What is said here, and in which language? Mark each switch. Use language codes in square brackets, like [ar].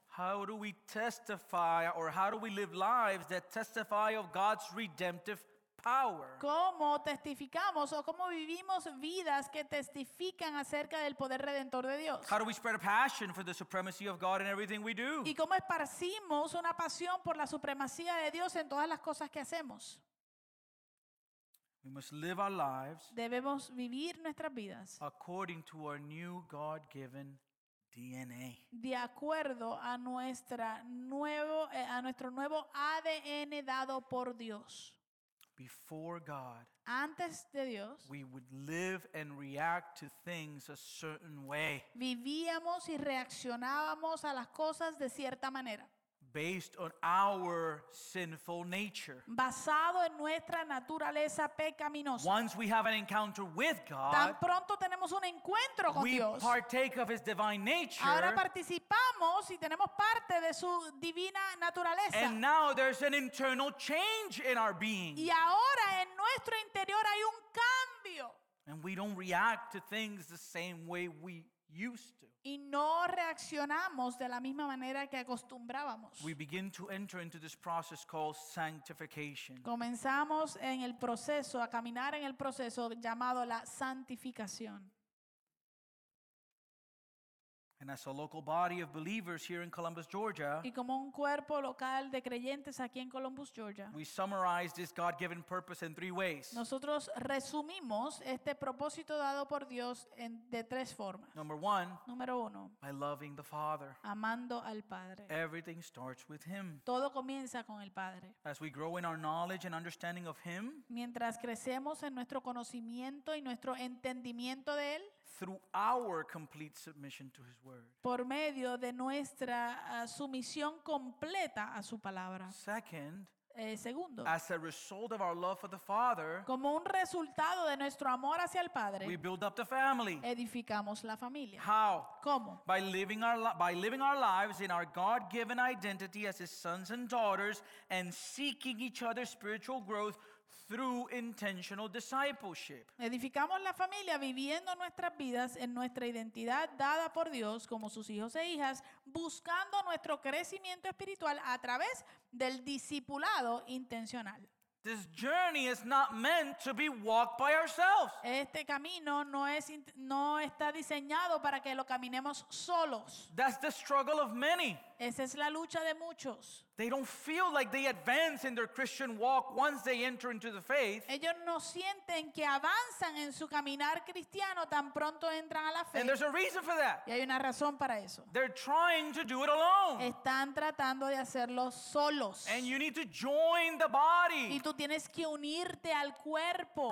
[en] How do we testify, or how do we live lives that testify of God's redemptive power? [es] ¿Cómo testificamos o cómo vivimos vidas que testifican acerca del poder redentor de Dios? [en] How do we spread a passion for the supremacy of God in everything we do? [es] ¿Y cómo esparcimos una pasión por la supremacía de Dios en todas las cosas que hacemos? [en] We must live our lives. [es] Debemos vivir nuestras vidas. [en] According to our new God-given DNA. [es] De acuerdo a nuestro nuevo ADN dado por Dios. [en] Before God, [es] antes de Dios, [en] we would live and react to things a certain way. [es] Vivíamos y reaccionábamos a las cosas de cierta manera. [en] Based on our sinful nature. [es] Basado en nuestra naturaleza pecaminosa. [en] Once we have an encounter with God, [es] tan pronto tenemos un encuentro con [en] we [es] Dios, [en] partake of His divine nature. [es] Ahora participamos y tenemos parte de su divina naturaleza. [en] And now there's an internal change in our being. [es] Y ahora en nuestro interior hay un cambio. [en] And we don't react to things the same way we used to. [es] Y no reaccionamos de la misma manera que acostumbrábamos. [en] We begin to enter into this process called sanctification. [es] Comenzamos en el proceso, a caminar en el proceso llamado la santificación. [en] And as a local body of believers here in Columbus, Georgia, [es] y como un cuerpo local de creyentes aquí en Columbus, Georgia, [en] we summarize this God-given purpose in three ways. [es] Nosotros resumimos este propósito dado por Dios de tres formas. [en] Number one, [es] número uno, [en] by loving the Father. [es] Amando al Padre. [en] Everything starts with Him. [es] Todo comienza con el Padre. [en] As we grow in our knowledge and understanding of Him, [es] mientras crecemos en nuestro conocimiento y nuestro entendimiento de Él, [en] through our complete submission to His word. [es] Por medio de nuestra sumisión completa a su palabra. [en] Second, [es] segundo, [en] as a result of our love for the Father, [es] como un resultado de nuestro amor hacia el Padre, [en] we build up the family. [es] Edificamos la familia. [en] How? [es] ¿Cómo? [en] By living our lives in our God-given identity as His sons and daughters and seeking each other's spiritual growth through intentional discipleship. [es] Edificamos la familia viviendo nuestras vidas en nuestra identidad dada por Dios como sus hijos e hijas, buscando nuestro crecimiento espiritual a través del discipulado intencional. [en] This journey is not meant to be walked by ourselves. [es] Este camino no está diseñado para que lo caminemos solos. [en] That's the struggle of many. [es] Esa es la lucha de muchos. [en] They don't feel like they advance in their Christian walk once they enter into the faith. [es] Ellos no sienten que avanzan en su caminar cristiano tan pronto entran a la fe. [en] And there's a reason for that. [es] Y hay una razón para eso. [en] They're trying to do it alone. [es] Están tratando de hacerlo solos. [en] And you need to join the body. [es] Y tú tienes que unirte al cuerpo.